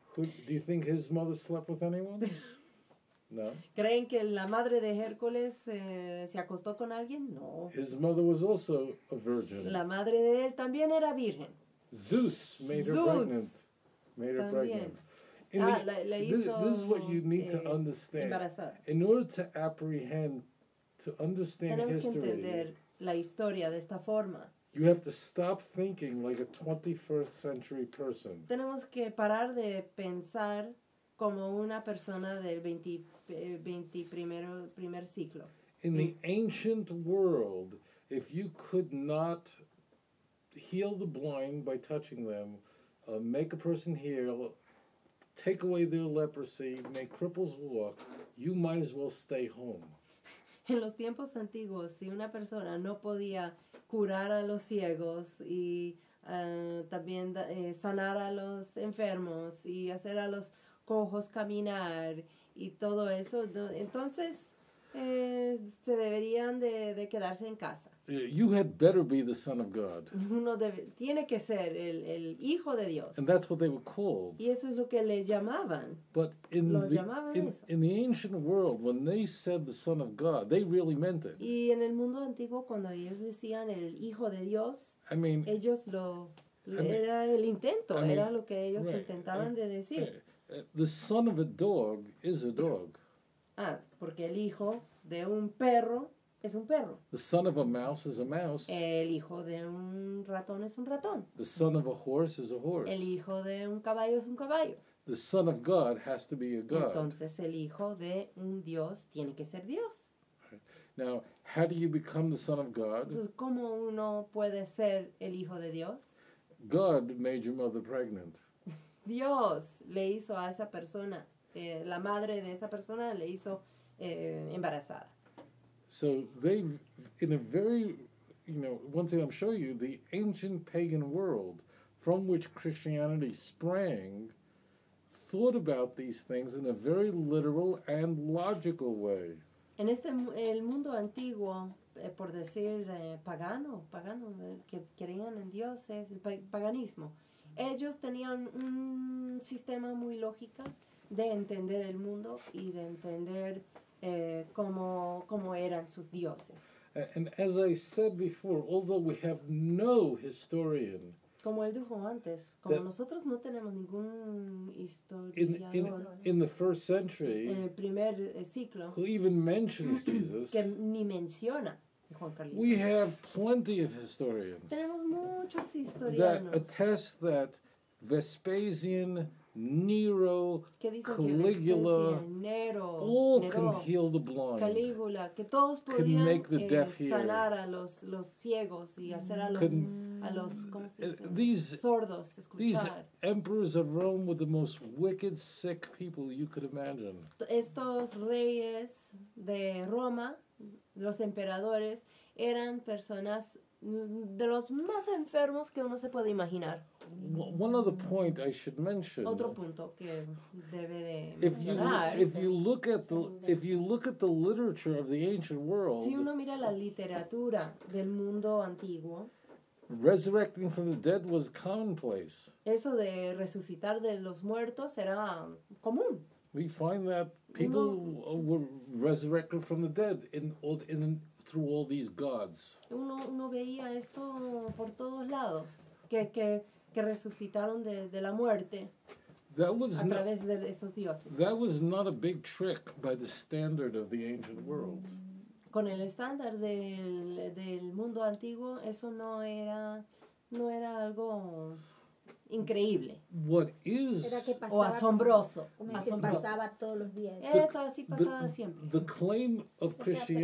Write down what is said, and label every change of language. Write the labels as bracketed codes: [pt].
[en] Who do you think his mother slept with anyone? No. [es] ¿Creen que la madre de Hércules se acostó con alguien? No. [en] His mother was also a virgin. [es] La madre de él también era virgen. [en] Zeus made her pregnant. Made her pregnant. This is what you need to understand. [es] Embarazada. [en] In order to apprehend, to understand [es] tenemos [en] history, [es] que entender la historia de esta forma. [en] You have to stop thinking like a 21st century person. [es] Tenemos que parar de pensar como una persona del 21st siglo. [en] In the ancient world, if you could not heal the blind by touching them, make a person heal, take away their leprosy, make cripples walk, you might as well stay home. [es] En los tiempos antiguos, si una persona no podía curar a los ciegos y también sanar a los enfermos y hacer a los cojos caminar y todo eso, entonces se deberían de quedarse en casa. [en] You had better be the son of God. [es] Uno tiene que ser el hijo de Dios. [en] And that's what they were called. [es] Y eso es lo que le llamaban. [en] But in the ancient world, when they said the son of God, they really meant it. [es] Y en el mundo antiguo, cuando ellos decían el hijo de Dios, [en] I mean, [es] ellos lo [en] I mean, [es] era el intento, I mean, era lo que ellos [en] right, [es] intentaban de decir. [en] The son of a dog is a dog. [es] Ah, porque el hijo de un perro es un perro. [en] The son of a mouse is a mouse. [es] El hijo de un ratón es un ratón. [en] The son of a horse is a horse. [es] El hijo de un caballo es un caballo. [en] The son of God has to be a God. [es] Entonces el hijo de un Dios tiene que ser Dios. [en] Now, how do you become the son of God? [es] Entonces, ¿cómo uno puede ser el hijo de Dios? [en] God made your mother pregnant. [es] Dios le hizo a esa persona, la madre de esa persona le hizo embarazada. [en] So they, in a very, you know, one thing I'm showing you, the ancient pagan world from which Christianity sprang thought about these things in a very literal and logical way. [es] En este, el mundo antiguo, por decir pagano, que creían en Dios, es el paganismo. Ellos tenían un sistema muy lógico de entender el mundo y de entender cómo eran sus dioses. [en] And as I said before, although we have no historian, [es] como él dijo antes, como nosotros no tenemos ningún historiador [en] in the first century, [es] en el primer siglo, [en] who even mentions Jesus, [es] que ni menciona. [en] We have plenty of historians. [es] Tenemos muchos historianos. [en] That attest that Vespasian, Nero, [es] que dicen [en] Caligula, [es] que Vespasian, Nero, [en] all [es] Nero, [en] can heal the blind. [es] Caligula, que todos podían, [en] can make the deaf hear. [es] Sanar a los ciegos y hacer a los sordos escuchar. [en] These emperors of Rome were the most wicked, sick people you could imagine. [es] Estos reyes de Roma, los emperadores, eran personas de los más enfermos que uno se puede imaginar. [en] One other point I should mention. [es] Otro punto que debe de [en] If you look at the literature of the ancient world. [es] Si uno mira la literatura del mundo antiguo. [en] Resurrecting from the dead was commonplace. [es] Eso de resucitar de los muertos era común. [en] We find that people were resurrected from the dead in through all these gods. [es] Uno veía esto por todos lados, que resucitaron de la muerte a través de esos dioses. [en] That was not a big trick by the standard of the ancient world. [es] Con el estándar del mundo antiguo, eso no era algo increíble. [en] What is [es] pasaba, o asombroso, asombroso. Que pasaba todos los días. Eso así pasaba siempre. [en] The claim of Christianity.